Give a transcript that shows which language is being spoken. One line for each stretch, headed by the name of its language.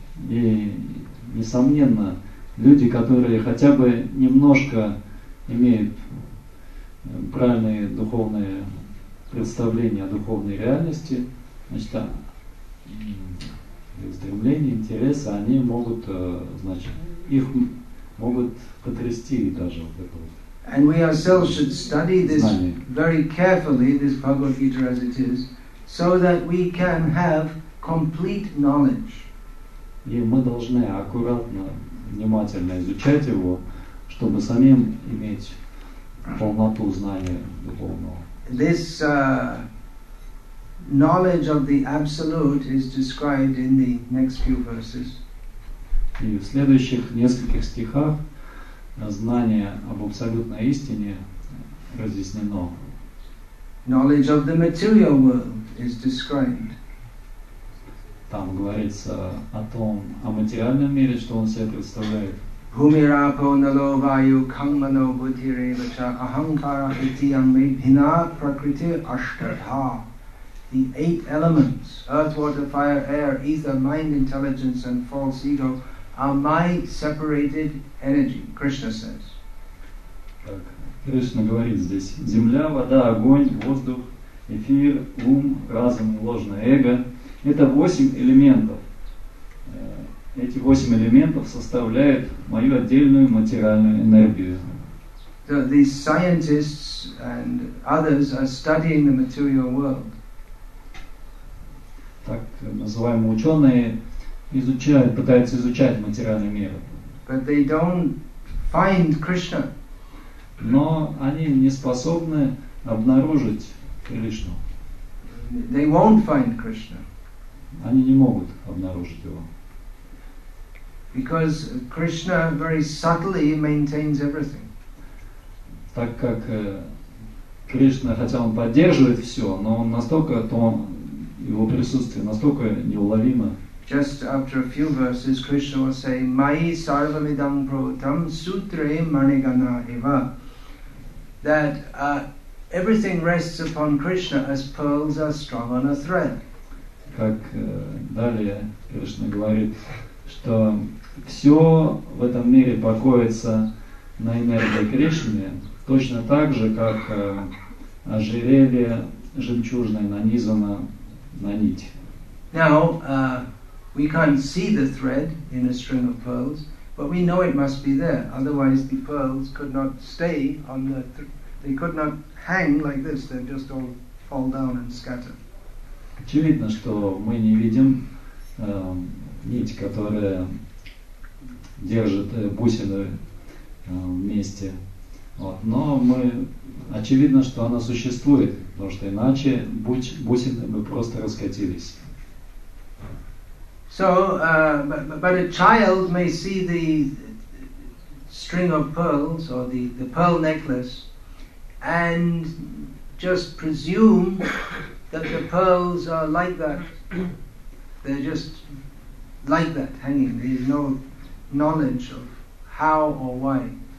Russian: И, несомненно, люди, которые хотя бы немножко имеют правильные духовные представления о духовной реальности, значит, их стремление, интересы, они могут, значит, их могут потрясти даже вот это вот.
English: And we ourselves should study this very carefully, this Bhagavad Gita as it is, so that we can have complete knowledge.
Russian: И мы должны аккуратно, внимательно изучать его, чтобы самим иметь полноту знания духовного.
English: This knowledge of the absolute is described in the next few verses.
Russian: И в следующих нескольких стихах знание об абсолютной истине разъяснено.
English: Knowledge of the material world is described.
Russian: Там говорится о том, о материальном мире, что он себя представляет.
Sanskrit: Bhumirapo nalo vayu kangmano buddhirevacha ahankara hityam me bhina prakriti ashtadha.
English: The eight elements, earth, water, fire, air, ether, mind, intelligence, and false ego, are my separated energy, Krishna says.
Russian: Krishna говорит здесь, земля, вода, огонь, воздух, эфир, ум, разум, ложное эго. Это восемь элементов. Эти восемь элементов составляют мою отдельную материальную энергию.
English: So these scientists and others are studying the material world.
Russian: Так называемые ученые изучают, пытаются изучать материальный мир.
English: But they don't find Krishna.
Russian: Но они не способны обнаружить Кришну.
English: They won't find Krishna.
Russian: Они не могут обнаружить его.
English: Because Krishna very subtly maintains everything.
Russian: Так как Кришна, хотя он поддерживает все, но он настолько, то он, его присутствие настолько неуловимо.
English: Just after a few verses, Krishna will say,
Sanskrit: "Mai sarvamidam prabhutam sutre manigana eva,"
English: that everything rests upon Krishna as pearls are strung on a thread.
Russian: Как далее Кришна говорит, что все в этом мире покоится на энергии Кришны, точно так же, как ожерелье жемчужное нанизано на нить.
English: Now, we can't see the thread in a string of pearls, but we know it must be there. Otherwise, the pearls could not stay on the... they could not hang like this. They'd just all fall down and scatter.
Russian: Очевидно, что мы не видим нить, которая держит бусины вместе. Вот. Но мы... очевидно, что она существует, потому что иначе бусины бы просто раскатились.
English: So, but a child may see the string of pearls or the pearl necklace and just presume that the pearls are like that. They're just like that, hanging. There's no knowledge of how or why.